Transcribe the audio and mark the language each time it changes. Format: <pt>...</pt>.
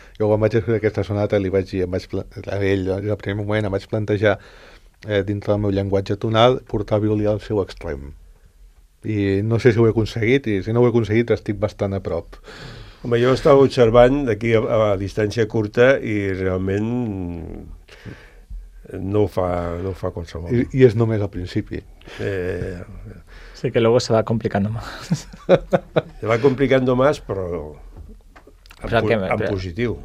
<ca>Jo quan vaig escriure aquesta sonata li vaig dir, el primer moment em vaig plantejar, dintre del meu llenguatge tonal, portar violí al seu extrem. I no sé si ho he aconseguit, i si no ho he aconseguit estic bastant a prop. Home, jo estava observant d'aquí a distància curta i realment no ho fa qualsevol. I és només al principi.</ca> <es>Sí, que luego se va complicando más. Se va complicando más,</es> <ca>però en positiu.</ca>